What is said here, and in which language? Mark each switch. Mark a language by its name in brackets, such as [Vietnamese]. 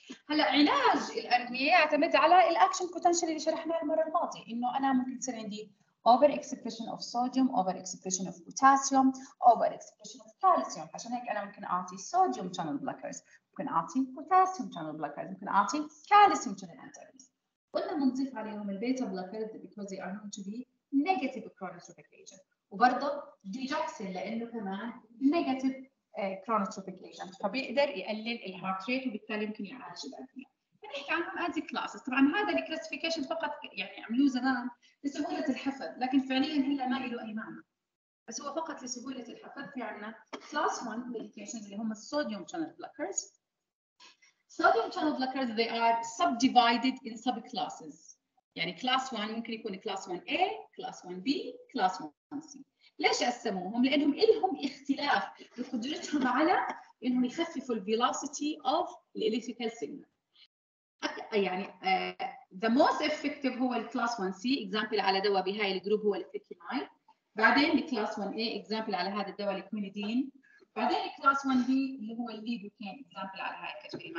[Arabic] هلا علاج الأرمية يعتمد على الأكشن بوتنشال اللي شرحناه المرة الماضية، إنه أنا ممكن تصير عندي [English] over expression of sodium, over expression of potassium, over expression of calcium. [Arabic] عشان هيك أنا ممكن أعطي sodium channel blockers، ممكن أعطي potassium channel blockers، ممكن أعطي calcium channel antagonists. قلنا منضيف عليهم البيتا blockers [English] because they are known to be negative chronotropic agent. [Arabic] وبرضه ديجوكسين لأنه كمان negative chronotropic agent. فبيقدر يقلل الهارت ريت وبالتالي ممكن يعالج الأرمية. نحكي عنهم هذه كلاسز. طبعا هذا الكلاسيفيكيشن فقط يعني عملوه زمان لسهولة الحفظ، لكن فعليا هلا ما له اي معنى، بس هو فقط لسهولة الحفظ. في عندنا كلاس 1 ميديكيشنز اللي هم الصوديوم شانل بلوكرز. [English] صوديوم channel blockers they are subdivided in sub classes. [Arabic] يعني كلاس 1 ممكن يكون كلاس 1A، كلاس 1B، كلاس 1C. ليش قسموهم؟ لانهم لهم اختلاف بقدرتهم على انهم يخففوا الفيلوسيتي اوف الالكتريكال سيجنال. يعني [English] the most effective [Arabic] هو الـ class 1C example على دواء بهاي الجروب هو الفيتامين، بعدين الـ class 1A example على هذا الدواء الكوينيدين، بعدين الـ class 1B اللي هو الليبوكين example على هاي الكاتيجوري.